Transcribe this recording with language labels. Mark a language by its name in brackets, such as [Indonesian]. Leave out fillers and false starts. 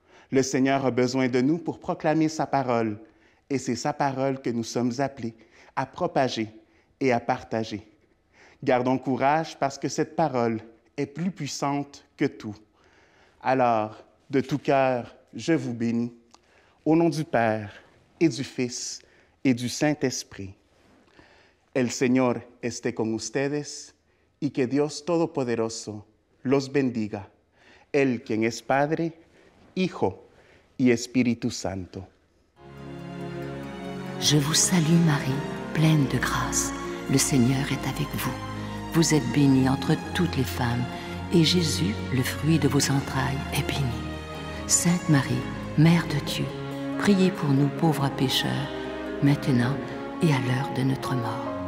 [French] Le Seigneur a besoin de nous pour proclamer sa parole, et c'est sa parole que nous sommes appelés à propager et à partager. Gardons courage parce que cette parole est plus puissante que tout. Alors, de tout cœur, je vous bénis. Au nom du Père et du Fils et du Saint-Esprit. [Spanish] El Señor esté con ustedes y que Dios Todopoderoso los bendiga. Él quien es Padre, Hijo y Espíritu Santo. [French] Je vous salue Marie, pleine de grâce. Le Seigneur est avec vous. Vous êtes bénie entre toutes les femmes et Jésus, le fruit de vos entrailles, est béni. Sainte Marie, Mère de Dieu, priez pour nous pauvres pécheurs, maintenant et à l'heure de notre mort.